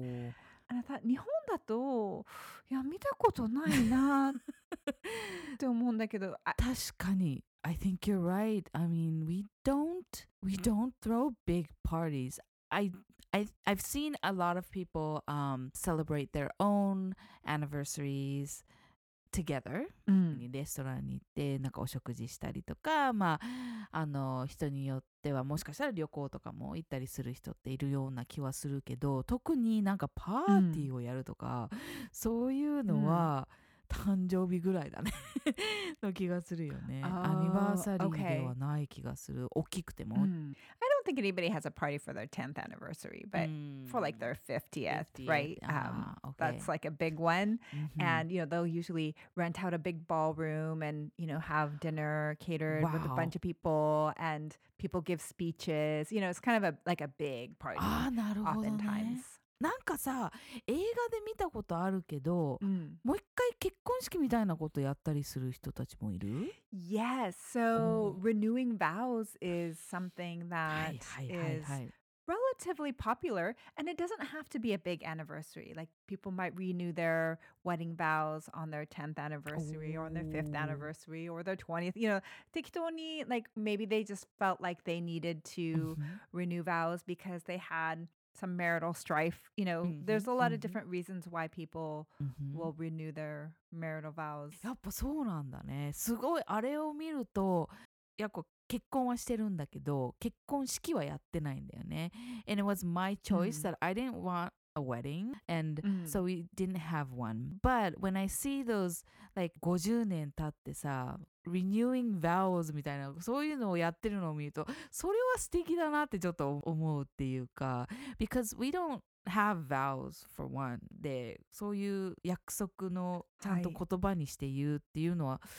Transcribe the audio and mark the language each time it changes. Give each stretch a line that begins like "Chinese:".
English: And I thought,
Japanese: 日本だと、いや、見たことないなって思うんだけど、確かに。
English: I think you're right. I mean, we don't throw big parties. I've seen a lot of people celebrate their own anniversaries together.
Japanese: レストランに行ってなんかお食事したりとか、まあ、あの人によってはもしかしたら旅行とかも行ったりする人っているような気はするけど、特になんかパーティーをやるとか、そういうのは、誕生日ぐらいだねの気がするよね。アニバーサリーではない気がする。大きくても。
English: I don't think anybody has a party for their 10th anniversary, but for like their 50th, right? That's like a big one. And, you know, they'll usually rent out a big ballroom and, you know, have dinner catered with a bunch of people and people give speeches. You know, it's kind of like a big party.
Japanese: ああ、なるほどね。なんかさ、映画で見たことあるけど、もう一回結婚式みたいなことやったりする人たちもいる？
English: Yes, so renewing vows is something that is relatively popular, and it doesn't have to be a big anniversary. Like, people might renew their wedding vows on their 10th anniversary or on their 5th anniversary or their 20th. You know,
Japanese: 適当に,
English: like, maybe they just felt like they needed to renew vows because they had... some marital strife, you know, there's a lot of different reasons why people will renew their marital vows.
Japanese: やっぱそうなんだね。すごい、あれを見ると、やっぱ結婚はしてるんだけど、結婚式はやってないんだよね。
English: And it was my choice that I didn't want a wedding, and so we didn't have one. But when I see those, like,
Japanese: 50年経ってさ、
English: renewing vows
Japanese: みたいなそういうのをやってるのを見るとそれは素敵だなってちょっと思うっていうか
English: because we don't have vows for one
Japanese: でそういう約束のちゃんと言葉にして言うっていうのは、